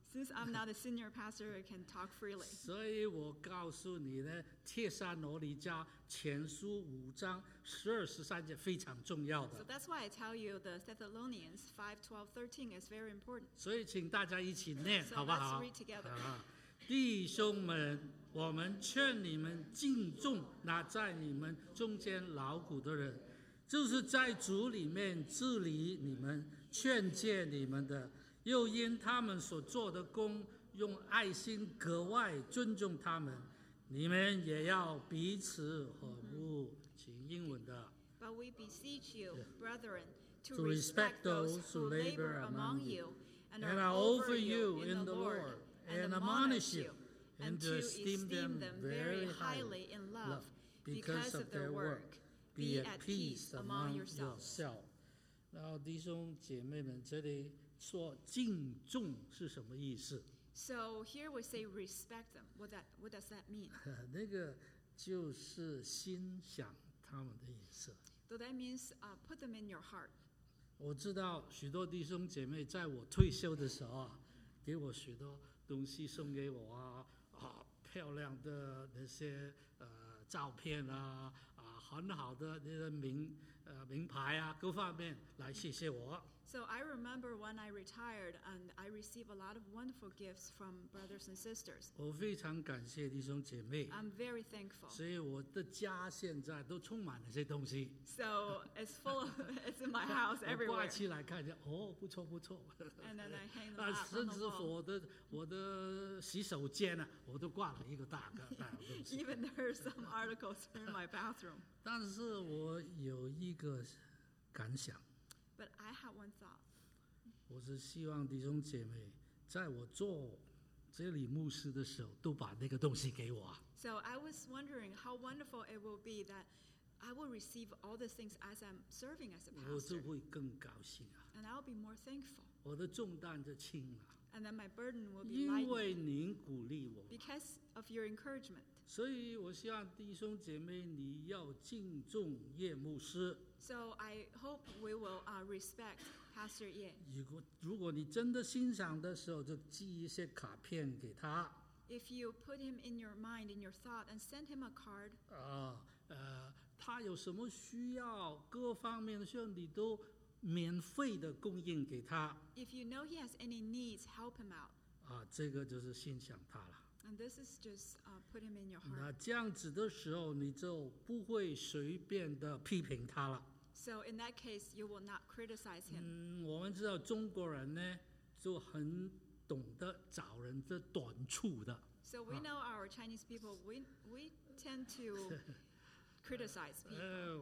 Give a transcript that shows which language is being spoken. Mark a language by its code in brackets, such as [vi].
[en] Since I'm not a senior pastor, I can talk freely. [zh] 所以我告诉你呢，《帖撒罗尼迦前书》5:12-13非常重要的。 [en] So that's why I tell you the Thessalonians 5:12-13 is very important. [zh] 所以请大家一起念，好不好？ [en] So let's read together. [zh] 弟兄们，我们劝你们敬重那在你们中间劳苦的人，就是在主里面治理你们、劝诫你们的。又因他们所做的工，用爱心格外尊重他们，你们也要彼此和睦。请英文的。 [en] But we beseech you, brethren, to respect those who labor among you, and are over you in the Lord, and admonish you, and to esteem them very highly in love because of their work. Be at peace among yourselves. [zh] 然后弟兄姐妹们，这里说敬重是什么意思 [en] ？So here we say respect them. What does that mean？ [zh] 那个就是欣赏他们的意思。 [en] So that means put them in your heart. [zh] 我知道许多弟兄姐妹在我退休的时候啊，给我许多东西送给我啊，漂亮的那些照片啊，很好的那些名牌啊，各方面来谢谢我。 [en] So I remember when I retired, and I received a lot of wonderful gifts from brothers and sisters. [zh] 我非常感谢弟兄姐妹。 [en] I'm very thankful. [zh] 所以我的家现在都充满了这些东西。 [en] So it's full of, it's in my house everywhere. [zh] 我挂起来看一下，哦，不错不错。 [en] And then I hang them up on the wall. [zh] 甚至我的洗手间呢，我都挂了一个大东西。 [en] Even there are some articles in my bathroom. [zh] 但是我有一个感想。 [en] But I have one thought. [zh] 我是希望弟兄姐妹在我做这里牧师的时候都把那个东西给我。 [en] So I was wondering how wonderful it will be that I will receive all the things as I'm serving as a pastor. [zh] 我就会更高兴啊。 [en] And I'll be more thankful. [zh] 我的重担就轻了。 [en] And then my burden will be lightened. [zh] 因为您鼓励我。 [en] Because of your encouragement. [zh] 所以我希望弟兄姐妹你要敬重叶牧师。 [en] So I hope we will respect Pastor Ye. [zh] 如果你真的欣赏的时候，就寄一些卡片给他。 [en] If you put him in your mind, in your thought, and send him a card. [zh] 他有什么需要，各方面的需要，你都免费的供应给他。 [en] If you know he has any needs, help him out. [zh] 这个就是欣赏他了。 [en] And this is just put him in your heart. [zh] 那这样子的时候，你就不会随便的批评他了。 [en] So in that case, you will not criticize him. [zh] 我们知道中国人呢，就很懂得找人的短处的。 [en] So we know our Chinese people, we tend to criticize people.